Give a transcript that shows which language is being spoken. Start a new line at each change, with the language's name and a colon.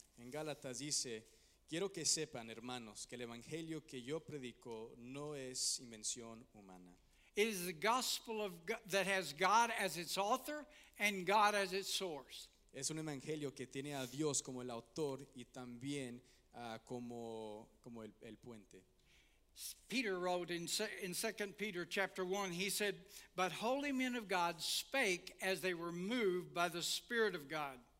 Spanish: En Gálatas dice, quiero que sepan, hermanos, que el evangelio que yo predico no es invención humana.
English: It is the gospel of God, that has God as its author and God as its source.
Spanish: Es un evangelio que tiene a Dios como el autor y también como el puente.
English: Peter wrote in 2 Peter chapter 1, he said, but holy men of God spake as they were moved by the Spirit of God.